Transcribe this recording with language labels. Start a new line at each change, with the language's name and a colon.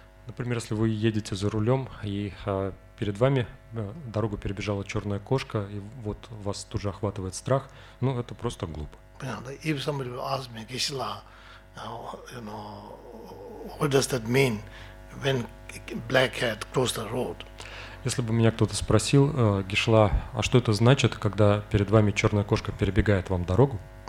Russian: Например, если вы едете за рулем, и перед вами дорогу перебежала черная кошка, и вот вас тут же охватывает страх, ну, это просто глупо. Понятно, да?
English: If somebody will ask me, Кисла, you know, what does that mean when black cat cross the road?
Russian: Если бы меня кто-то спросил, Гишла, а что это значит, когда перед вами черная кошка перебегает вам дорогу?